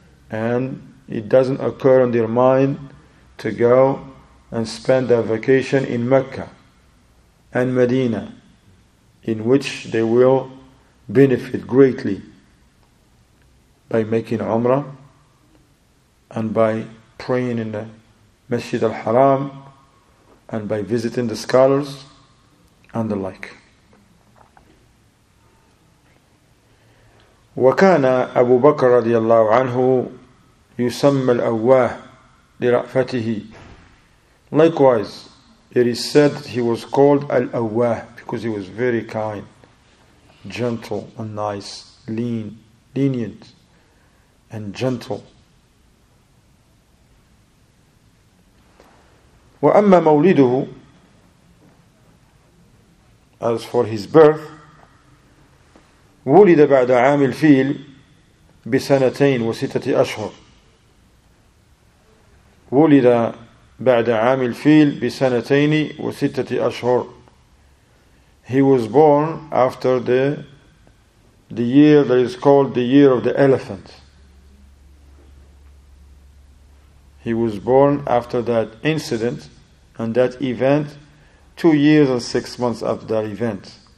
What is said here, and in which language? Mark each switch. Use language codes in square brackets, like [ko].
[en] And it doesn't occur in their mind to go and spend their vacation in Mecca and Medina, in which they will benefit greatly by making Umrah and by praying in the Masjid al-Haram and by visiting the scholars and the like. [ar] وَكَانَ أَبُو بَكْرَ رَضِيَ اللَّهُ عَنْهُ يسمى الأواه لرأفته. [en] Likewise, it is said that he was called الأواه because he was very kind, gentle and nice, lean, lenient and gentle. [ar] وأما مولده, [en] as for his birth, [ar] ولد بعد عام الفيل بسنتين وستة أشهر. ولد بعد عام الفيل بسنتين وستة أشهر. [en] He was born after the year that is called the year of the elephant. He was born after that incident and that event 2 years and 6 months after that event.